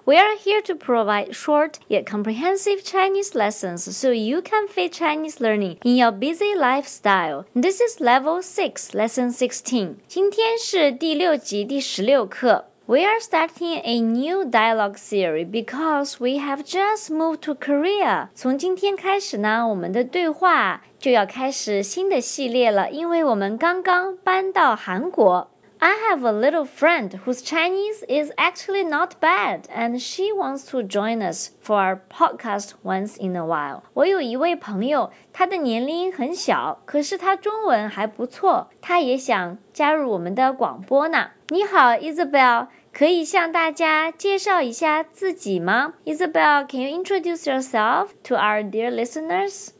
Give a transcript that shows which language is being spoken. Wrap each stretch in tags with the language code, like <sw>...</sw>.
<en>We are here to provide short yet comprehensive Chinese lessons so you can fit Chinese learning in your busy lifestyle. This is Level 6, Lesson 16.</en> <zh>今天是第六集第十六课。</zh> <en>We are starting a new dialogue series because we have just moved to Korea.</en> <zh>从今天开始呢，我们的对话就要开始新的系列了，因为我们刚刚搬到韩国。</zh> <en>I have a little friend whose Chinese is actually not bad, and she wants to join us for our podcast once in a while.</en> <zh>我有一位朋友，她的年龄很小，可是她中文还不错，她也想加入我们的广播呢。你好 ,Isabel, 可以向大家介绍一下自己吗 ?</zh> <en>Isabel, can you introduce yourself to our dear listeners?</en>